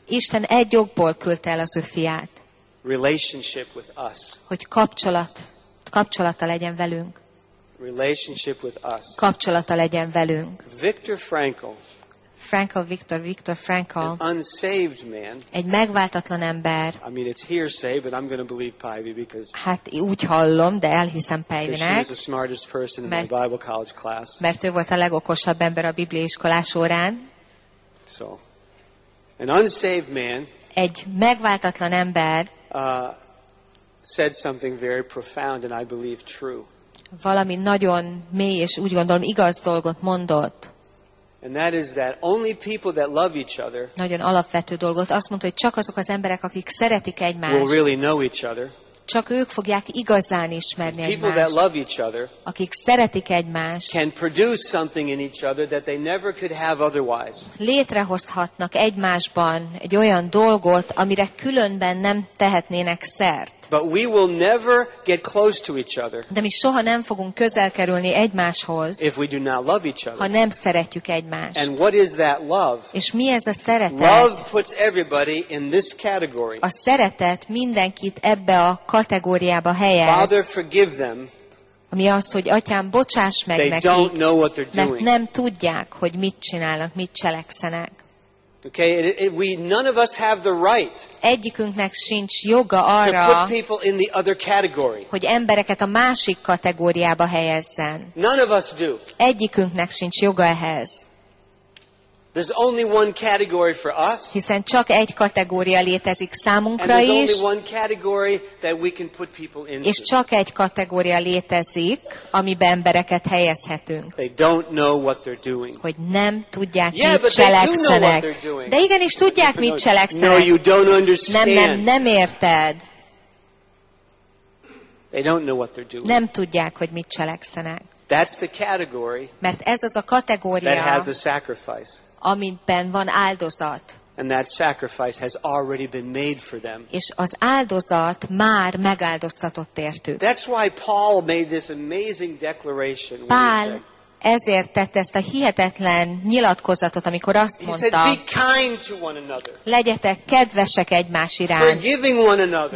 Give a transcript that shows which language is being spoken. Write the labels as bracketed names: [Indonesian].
[Hungarian] Isten egy okból küldte el az ő fiát. [English] Relationship with us. [Hungarian] Hogy kapcsolata legyen velünk. [English] Relationship with us. [Hungarian] Kapcsolata legyen velünk. [English] Viktor Frankl. [Hungarian] Viktor Frankl. [English] An unsaved man. [Hungarian] Egy megváltatlan ember. [English] I mean, it's hearsay, but I'm going to believe Pivy because. [Hungarian] Hát úgy hallom, de elhiszem Pivynek. [English] Because she was the smartest person in my Bible college class. [Hungarian] Mert ő volt a legokosabb ember a Biblia iskolás órán. [English] So, an unsaved man. [Hungarian] Egy megváltatlan ember. [English] Said something very profound, and I believe true. [Hungarian] Valami nagyon mély és úgy gondolom igaz dolgot mondott. [English] And that is that only people that love each other. [Hungarian] Nagyon alapvető dolgot. Azt mondta, hogy csak azok az emberek, akik szeretik egymást. [English] Will really know each other. [Hungarian] Csak ők fogják igazán ismerni egymást. [English] People that love each other. [Hungarian] Akik szeretik egymást. [English] Can produce something in each other that they never could have otherwise. [Hungarian] Létrehozhatnak egymásban egy olyan dolgot, amire különben nem tehetnének szert. [English] But we will never get close to each other. [Hungarian] De mi soha nem fogunk közel kerülni egymáshoz. [English] If we do not love each other. [Hungarian] Ha nem szeretjük egymást. [English] And what is that love? [Hungarian] És mi ez a szeretet? [English] Love puts everybody in this category. [Hungarian] A szeretet mindenkit ebbe a kategóriába helyez. [English] Father, forgive them. [Hungarian] Ami az, hogy Atyám, bocsáss meg [English] they [Hungarian] nekik. [English] They don't know what they're doing. [Hungarian] Mert nem tudják, hogy mit csinálnak, mit cselekszenek. [English] Okay, we none of us have the right. [Hungarian] Egyikünknek sincs joga arra, [English] to put people in the other category. [Hungarian] Hogy embereket a másik kategóriába helyezzen. [English] None of us do. [Hungarian] Egyikünknek sincs joga ehhez. [English] There's only one category for us. [Hungarian] Hiszen csak egy kategória létezik számunkra [English] and [Hungarian] is. [English] And there's only one category that we can put people into. [Hungarian] És csak egy kategória létezik, amiben embereket helyezhetünk. [English] They don't know what they're doing. [Hungarian] Hogy nem tudják, [English] yeah, [Hungarian] mit cselekszenek. [English] They do know what doing. [Hungarian] De igenis tudják, mit cselekszenek. [English] No, you don't understand. [Hungarian] Nem érted. [English] They don't know what they're doing. [Hungarian] Nem tudják, hogy mit cselekszenek. [English] That's the category. [Hungarian] Mert ez az a kategória. [English] That has a sacrifice. [Hungarian] Amiben van áldozat. [English] And that sacrifice has already been made for them. [Hungarian] És az áldozat már megáldoztatott értük. [English] That's why Paul made this amazing declaration. [Hungarian] Pál ezért tette ezt a hihetetlen nyilatkozatot, amikor azt mondta, [English] he said, be kind to one another. [Hungarian] Legyetek kedvesek egymás iránt. [English] Forgiving one another.